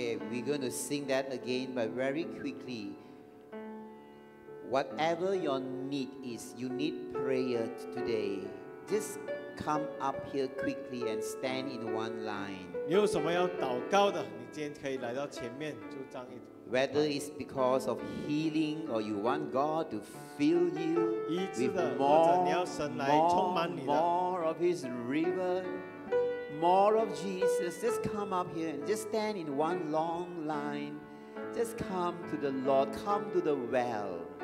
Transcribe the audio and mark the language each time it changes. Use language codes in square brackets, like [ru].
[en] we're going to sing that again, but very quickly. Whatever your need is, you need prayer today, just come up here quickly and stand in one line. [zh] 你有什么要祷告的，你今天可以来到前面， 就站一, [en] whether it's because of healing or you want God to fill you [zh] 医治的, [en] with more of His river, more of Jesus, just come up here and just stand in one long line. Just come to the Lord, come to the well.